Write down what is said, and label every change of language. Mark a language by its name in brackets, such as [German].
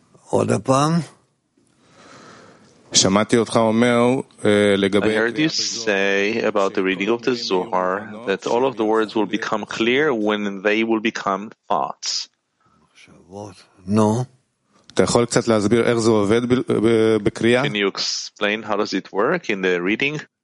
[Hebrew] עוד פעם. שמעתי אותך אומר לגבי, [English] I heard you say about the reading of the Zohar that all of the words will become clear when they will become thoughts. No. [Hebrew] אתה יכול קצת להסביר איך זה עובד בקריאה? [English] Can you explain how does it work in the reading?